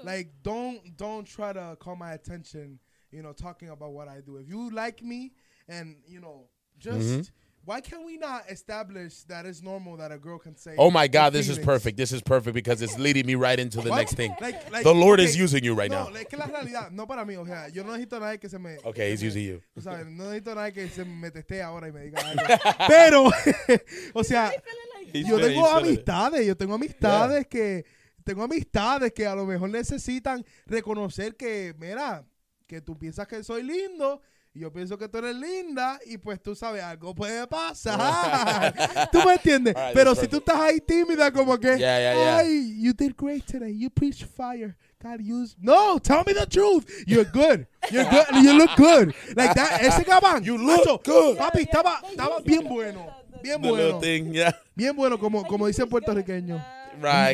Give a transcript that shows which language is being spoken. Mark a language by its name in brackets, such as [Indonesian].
[English] Like, don't try to call my attention, you know, talking about what I do. If you like me and, you know, just, why can't we not establish that it's normal that a girl can say, oh, my God, this is perfect. This is perfect because it's leading me right into the next thing. Like, the Lord is using you right now. [Spanish] No, la realidad, no para mí, o sea, yo no necesito nadie que se me... [English] Okay, he's using you. [Spanish] O sea, no necesito nadie que se me teste ahora y me diga algo. Pero, o sea... Yo tengo amistades, yo tengo amistades que a lo mejor necesitan reconocer que, mira, que tú piensas que soy lindo, y yo pienso que tú eres linda, y pues tú sabes, algo puede pasar. ¿Tú me entiendes? [English] Right, [Spanish] pero si tú estás ahí tímida, como que, [English] yeah. You did great today, you preached fire, God used, no, tell me the truth, you're good, you look good, like that, [Spanish] ese gabán, [English] you look macho, good, [Spanish] papi, estaba bien bueno. Bien bueno. [English] Little thing, yeah. [Spanish] Bien bueno, como dice en puertorriqueño. [English] Right,